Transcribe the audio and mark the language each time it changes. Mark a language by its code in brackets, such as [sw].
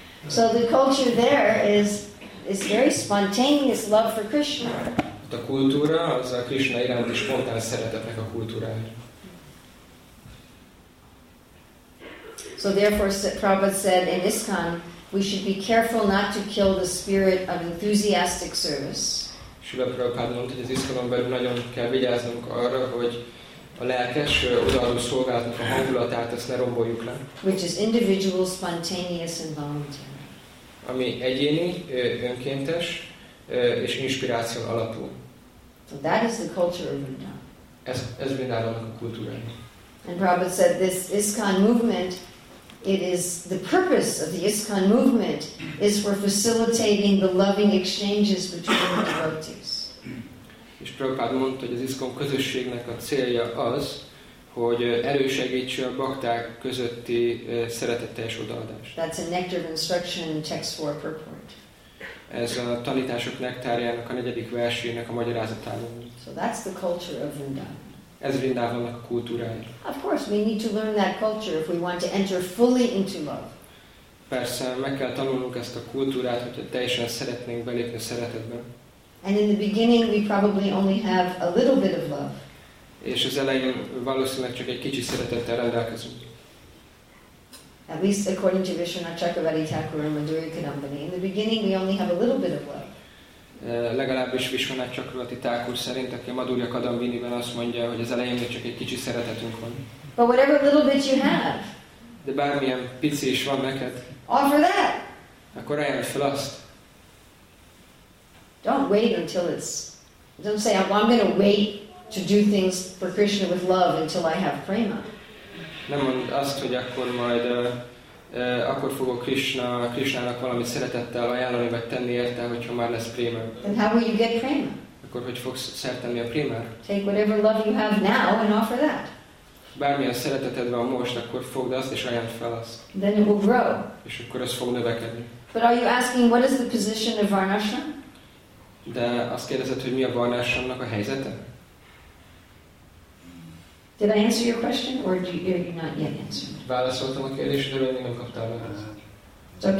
[en] So the culture there is very spontaneous love for Krishna. [hu] A kultúra az a Krishna iránti spontán szeretetnek a kultúrája. [en] So therefore Prabhupada said in ISKCON, we should be careful not to kill the spirit of enthusiastic service. [hu] Srila Prabhupada mondta, hogy az ISKCON-on belül nagyon kell vigyáznunk arra, hogy a lelkes odaadó szolgálatnak a hangulatát ezt ne romboljuk le. [en] Which is individual, spontaneous and voluntary. [hu] Ami egyéni, önkéntes és inspiráción alapú. [en] So that is the culture of Vrindavan. [hu] Ez Vrindavannak a kultúrája. [en] And Prabhupada said this ISKCON movement, it is the purpose of the ISKCON movement is for facilitating the loving exchanges between the devotees. [hu] És Prabhupád mondta, hogy az ISKCON közösségnek a célja az, hogy elősegítse a bakták közötti szeretetteljes odaadást. [en] That's a nectar of instruction text 4 purport. [hu] Ez a tanítások nektárjának a negyedik versének a magyarázatában. [en] So that's the culture of Vrindavan. [hu] Ez Vrindavannak a kultúrája. [en] Of course, we need to learn that culture if we want to enter fully into love. [hu] Persze, meg kell tanulnunk ezt a kultúrát, hogyha teljesen szeretnénk belépni a szeretetbe. [en] And in the beginning we probably only have a little bit of love. [hu] És az elején valószínűleg csak egy kicsi szeretettel rendelkezünk. [en] At least according to Vishwanath Chakravarti Thakur and Madhuri Kadambini, in the beginning we only have a little bit of love. [hu] Legalábbis Vishwanath Chakravarti Thakur szerint, aki a Madhurya Kadambiniben azt mondja, hogy az elején még csak egy kicsi szeretetünk van. [en] But whatever little bit you have. [hu] De bármilyen pici is van neked. [en] Offer that. [hu] Akkor ajánlod fel azt. [en] Don't wait until it's. Don't say I'm going to wait to do things for Krishna with love until I have prema. [hu] Nem mond azt, hogy akkor majd akkor fogok Krishnának valami szeretettel ajánlani vagy tenni érte, hogyha már lesz prema. [en] Then how will you get prema? [hu] Akkor hogy fogsz szertenni a prémát? [en] Take whatever love you have now and offer that. [hu] Bármilyen szereteted van most, akkor fogd azt és ajánd fel azt. [en] Then it will grow. [hu] És akkor ez fog növekedni. [en] But are you asking what is the position of Varnashram? [hu] De azt kérdezed, hogy mi a varnashramnak a helyzete? [en] Did I answer your question, or do you not yet answered? [hu] Válaszoltam a kérdésre, de még nem kaptál a választ.